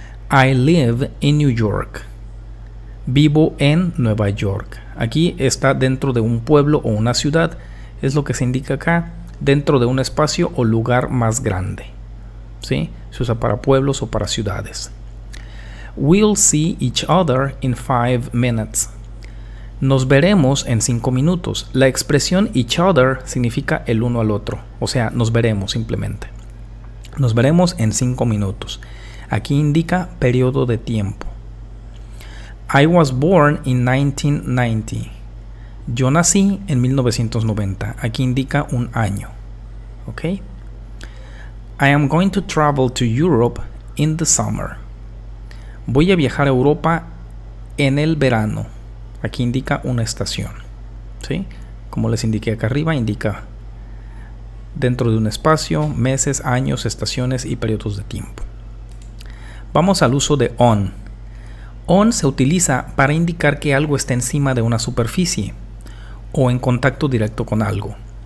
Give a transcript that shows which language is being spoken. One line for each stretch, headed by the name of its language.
English: I live in New York.
Spanish: Vivo en Nueva York. Aquí está dentro de un pueblo o una ciudad. Es lo que se indica acá. Dentro de un espacio o lugar más grande. ¿Sí? Se usa para pueblos o para ciudades.
English: We'll see each other in 5 minutes.
Spanish: Nos veremos en 5 minutos. La expresión
English: each other
Spanish: significa el uno al otro. O sea, nos veremos simplemente. Nos veremos en 5 minutos. Aquí indica periodo de tiempo.
English: I was born in 1990.
Spanish: Yo nací en 1990. Aquí indica un año. Ok.
English: I am going to travel to Europe in the summer.
Spanish: Voy a viajar a Europa en el verano. Aquí indica una estación. ¿Sí? Como les indiqué acá arriba, indica dentro de un espacio, meses, años, estaciones y periodos de tiempo. Vamos al uso de on. On se utiliza para indicar que algo está encima de una superficie o en contacto directo con algo.